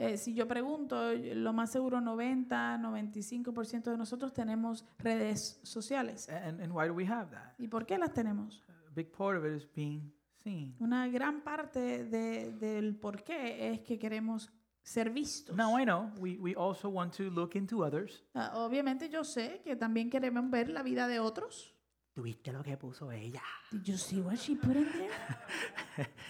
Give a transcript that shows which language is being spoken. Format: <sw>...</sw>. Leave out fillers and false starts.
<es>Si yo pregunto, lo más seguro 90-95% de nosotros tenemos redes sociales.</es> <en>And why do we have that?</en> <es>¿Y por qué las tenemos?</es> <en>A big part of it is being seen.</en> <es>Una gran parte del por qué es que queremos ser vistos.</es> <en>Now I know we also want to look into others.</en> <es>Obviamente yo sé que también queremos ver la vida de otros. ¿Tuviste lo que puso ella?</es> <en>Did you see what she put in there?</en>